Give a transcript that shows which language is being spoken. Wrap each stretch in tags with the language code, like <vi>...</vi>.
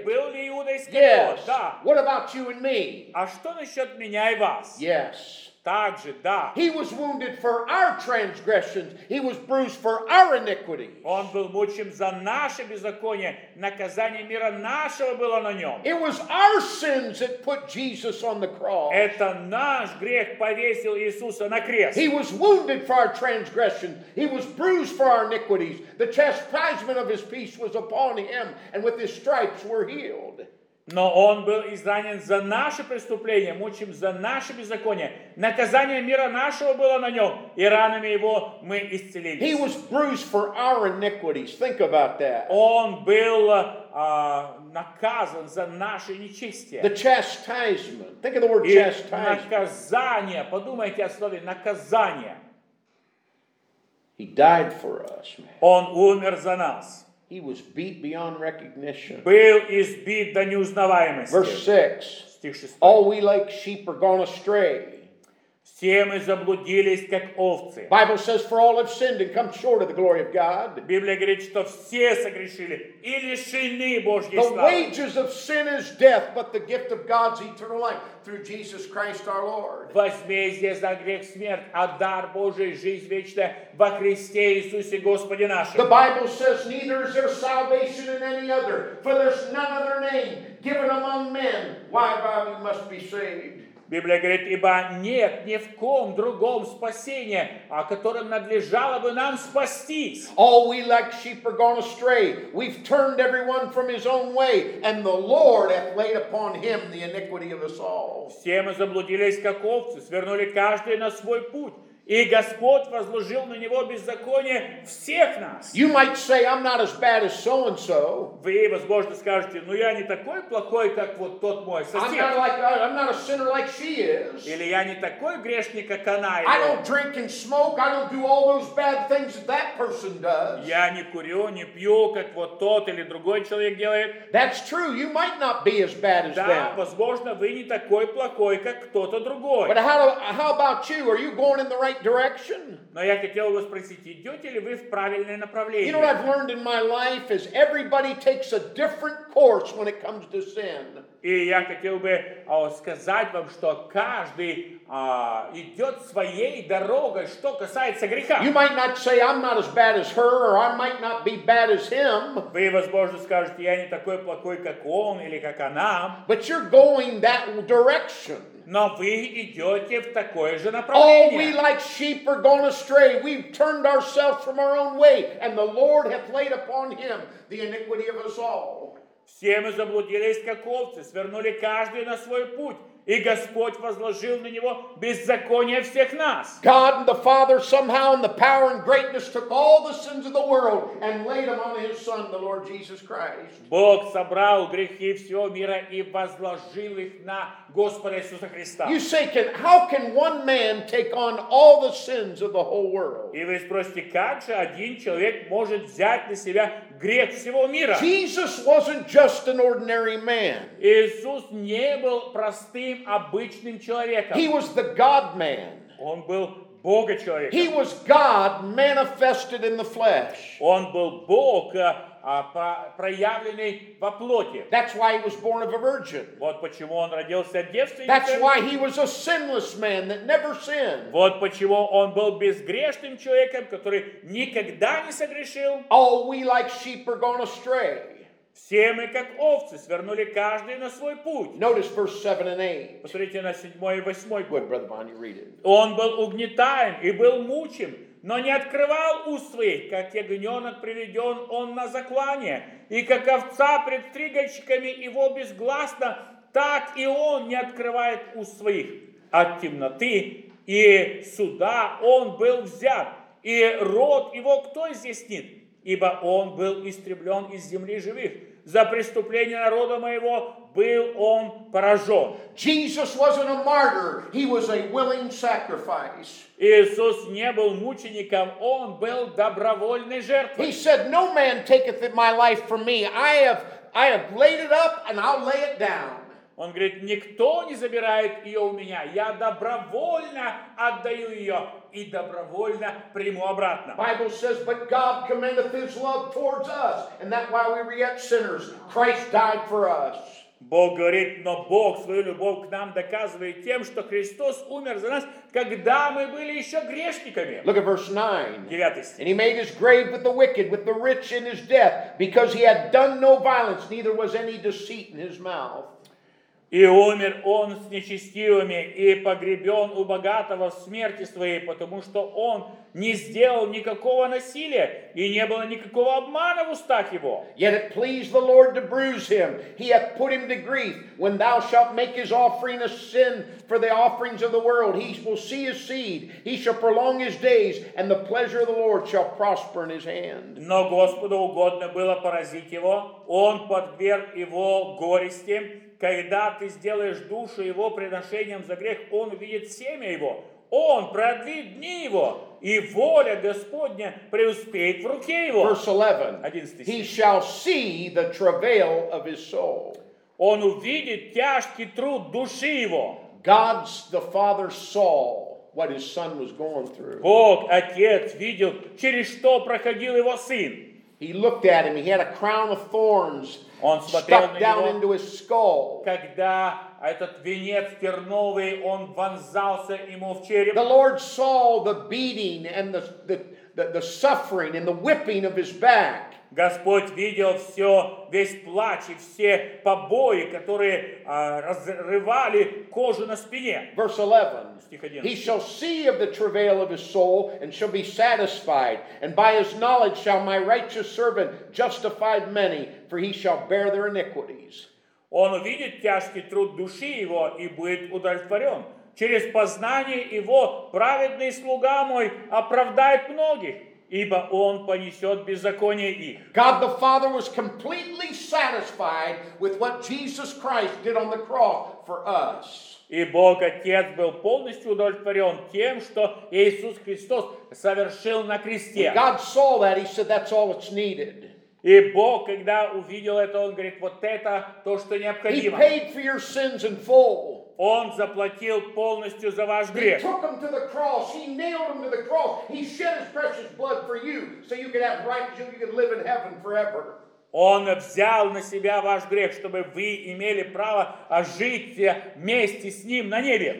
<ru>И был ли Иуда Искариот? Да.</ru> <en>What about you and me?</en> <ru>А что насчет меня и вас?</ru> <en>Yes.</en> <ru>Также, да.</ru> <en>He was wounded for our transgressions. He was bruised for our iniquity.</en> <ru>Он был мучим за наше беззаконие. Наказание мира нашего было на нем.</ru> <en>It was our sins that put Jesus on the cross.</en> <ru>Это наш грех повесил Иисуса на крест.</ru> <en>He was wounded for our transgressions. He was bruised for our iniquities. The chastisement of his peace was upon him, and with his stripes were healed.</en> <ru>Но он был изранен за наши преступления, мучим за наши беззакония. Наказание мира нашего было на нем, и ранами его мы исцелились.</ru> <en>He was bruised for our iniquities. Think about that.</en> <ru>Он был наказан за наши нечестия.</ru> <en>The chastisement. Think of the word chastisement.</en> <ru>И наказание. Подумайте о слове наказание.</ru> <en>He died for us, man.</en> <ru>Он умер за нас.</ru> <en>He was beat beyond recognition.</en> <ru>Был избит до неузнаваемости.</ru> <en>Verse 6.</en> <ru>Стих 6.</ru> <en>All we like sheep are gone astray.</en> <ru>Все мы заблудились, как овцы.</ru> <en>Bible says, for all have sinned and come short of the glory of God.</en> <ru>Библия говорит, что все согрешили и лишены Божьей славы.</ru> <en>The wages of sin is death, but the gift of God's eternal life through Jesus Christ our Lord.</en> <ru>Возмездие за грех смерть, а дар Божий жизнь вечная во Христе Иисусе Господе нашем.</ru> <en>The Bible says, neither is there salvation in any other, for there's none other name given among men whereby we must be saved.</en> <ru>Библия говорит, ибо нет ни в ком другом спасения, о котором надлежало бы нам спастись.</ru> <en>All we like sheep are gone astray. We've turned everyone from his own way, and the Lord hath laid upon him the iniquity of us all.</en> <ru>Все мы заблудились, как овцы, свернули каждый на свой путь. И Господь возложил на него беззаконие всех нас.</ru> <en>You might say, I'm not as bad as so and so.</en> <ru>Вы, возможно, скажете, ну я не такой плохой, как вот тот мой сосед.</ru> <en>I'm not a sinner like she is.</en> <ru>Или я не такой грешник, как она.</ru> <en>I don't drink and smoke. I don't do all those bad things that that person does.</en> <ru>Я не курю, не пью, как вот тот или другой человек делает.</ru> <en>That's true. You might not be as bad as them.</en> <ru>Да, возможно, вы не такой плохой, как кто-то другой.</ru> <en>But how about you? Are you going in the right direction?</en> <ru>Но я хотел вас спросить, идете ли вы в правильное направление?</ru> <en>You know what I've learned in my life is everybody takes a different course when it comes to sin.</en> <ru>И я хотел бы сказать вам, что каждый идет своей дорогой, что касается греха.</ru> <en>You might not say, I'm not as bad as her, or I might not be bad as him.</en> <ru>Вы, возможно, скажете, я не такой плохой, как он или как она.</ru> <en>But you're going that direction.</en> <ru>Но вы идете в такое же направление.</ru> <en>All we like sheep are gone astray. We've turned ourselves from our own way, and the Lord hath laid upon him the iniquity of us all.</en> <ru>Все мы заблудились, как овцы, свернули каждый на свой путь, и Господь возложил на него беззаконие всех нас.</ru> <en>God and the Father somehow in the power and greatness took all the sins of the world and laid them on his Son, the Lord Jesus Christ.</en> <ru>Бог собрал грехи всего мира и возложил их на Господа Иисуса Христа.</ru> <en>You say, how can one man take on all the sins of the whole world?</en> <ru>И вы спросите, как же один человек может взять на себя грех всего мира?</ru> <en>Jesus wasn't just an ordinary man.</en> <ru>Иисус не был простым обычным человеком.</ru> <en>He was the God-man.</en> <ru>Он был Бога-человеком.</ru> <en>He was God manifested in the flesh.</en> <ru>Он был Бог, проявленный во плоти.</ru> <en>That's why he was born of a virgin.</en> <ru>Вот почему он родился от девственницы.</ru> <en>That's why he was a sinless man that never sinned.</en> <ru>Вот почему он был безгрешным человеком, который никогда не согрешил.</ru> <en>All we like sheep are gone astray.</en> <ru>Все мы, как овцы, свернули каждый на свой путь.</ru> <en>Notice verse 7 and 8.</en> <ru>Посмотрите на 7 и 8.</ru> <en>Good, brother Bonnie, read it.</en> <ru>Он был угнетаем и был мучим, но не открывал уст своих, как ягненок приведен он на заклание, и как овца пред стригальщиками его безгласно, так и он не открывает уст своих. от темноты, и сюда он был взят, и род его кто изъяснит? Ибо он был истреблен из земли живых. За преступление народа моего был он поражен.</ru> <en>Jesus wasn't a martyr. He was a willing sacrifice.</en> <ru>Иисус не был мучеником, он был добровольной жертвой.</ru> <en>He said, no man taketh my life from me. I have laid it up and I'll lay it down.</en> <ru>Он говорит, никто не забирает ее у меня. Я добровольно отдаю ее и добровольно приму обратно.</ru> <en>Bible says, but God commendeth his love towards us, and that while we were yet sinners, Christ died for us.</en> <ru>Бог говорит, но Бог свою любовь к нам доказывает тем, что Христос умер за нас, когда мы были еще грешниками.</ru> <en>Look at verse 9.</en> <ru>9 стих.</ru> <en>And he made his grave with the wicked, with the rich in his death, because he had done no violence, neither was any deceit in his mouth.</en> <ru>И умер он с нечестивыми, и погребен у богатого в смерти своей, потому что он не сделал никакого насилия, и не было никакого обмана в устах его.</ru> <en>Yet it pleased the Lord to bruise him. He hath put him to grief. When thou shalt make his offering a sin for the offerings of the world, he will see his seed. He shall prolong his days, and the pleasure of the Lord shall prosper in his hand.</en> <ru>Но Господу угодно было поразить его. Он подверг его горести. Когда ты сделаешь душу его приношением за грех, он увидит семя его, он продлит дни его, и воля Господня преуспеет в руке его.</ru> <en>Verse 11.</en> <ru>11 стих.</ru> <en>He shall see the travail of his soul.</en> <ru>Он увидит тяжкий труд души его.</ru> <en>God's the Father saw what his son was going through.</en> <ru>Бог Отец видел, через что проходил его сын.</ru> <en>He looked at him. He had a crown of thorns stuck down into his skull.</en> <ru>Когда этот венец терновый, он вонзался ему в череп.</ru> <en>The Lord saw the beating and the suffering and the whipping of his back.</en> <ru>Господь видел все, весь плач и все побои, которые разрывали кожу на спине.</ru> <en>Verse 11. He shall see of the travail of his soul and shall be satisfied. And by his knowledge shall my righteous servant justify many, for he shall bear their iniquities.</en> <ru>Он увидит тяжкий труд души его и будет удовлетворен. Через познание его праведный слуга мой оправдает многих. Ибо он понесет беззаконие их.</ru> <en>God the Father was completely satisfied with what Jesus Christ did on the cross for us.</en> <ru>И Бог Отец был полностью удовлетворен тем, что Иисус Христос совершил на кресте.</ru> <en>When God saw that, he said, that's all that's needed.</en> <ru>И Бог, когда увидел это, он говорит, вот это то, что необходимо.</ru> <en>He paid for your sins in full.</en> <ru>Он заплатил полностью за ваш грех.</ru> <en>He took him to the cross. He nailed him to the cross. He shed his precious blood for you, so you could have right, so you could live in heaven forever.</en> <ru>Он взял на себя ваш грех, чтобы вы имели право жить вместе с ним на небе.</ru>